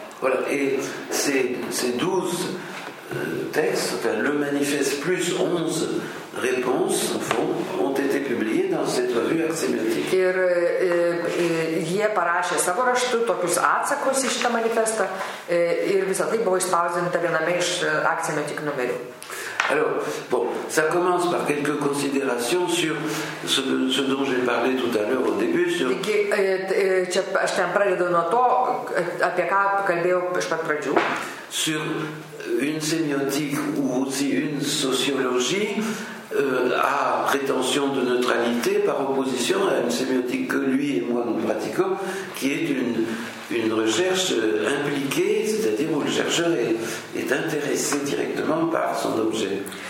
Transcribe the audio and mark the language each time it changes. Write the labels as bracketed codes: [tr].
[fr] Voilà, et ces 12 textes, enfin, le manifeste plus 11 réponses, au fond, ont été publiées dans cette revue axémiotique. [lt] Ir jie parašė savo raštu tokius atsakus į šitą manifestą ir visą tai buvo išspausdinta viename iš axémiotique numerių. [fr] Alors, bon, ça commence par quelques considérations sur ce dont j'ai parlé tout à l'heure au début. Sur... [lt] Taigi, čia, aš ten pradedu nuo to, apie ką kalbėjau iš pat pradžių. [fr] Sur une sémiotique ou aussi une sociologie à prétention de neutralité par opposition à une sémiotique que lui et moi nous pratiquons, qui est une recherche impliquée, c'est-à-dire où le chercheur est intéressé directement par son objet.